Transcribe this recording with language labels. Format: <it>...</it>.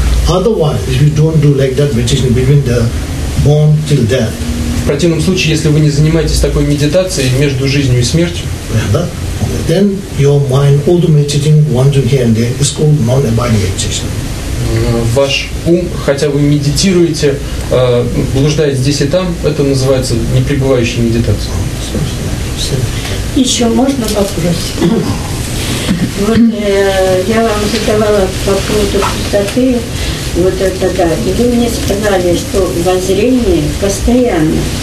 <en>Otherwise, if you don't do like that meditation between the born till death.</en> <ru>В противном случае, если вы не занимаетесь такой медитацией между жизнью и смертью,</ru> <en>then your mind automatically wandering here and there is called non-abiding meditation.</en> <ru>Ваш ум, хотя вы медитируете, блуждает здесь и там, это называется непребывающая медитация. Еще можно вопрос? Вот я вам задавала вопрос о пустоте, вот это да, и вы мне сказали, что воззрение постоянно.</ru>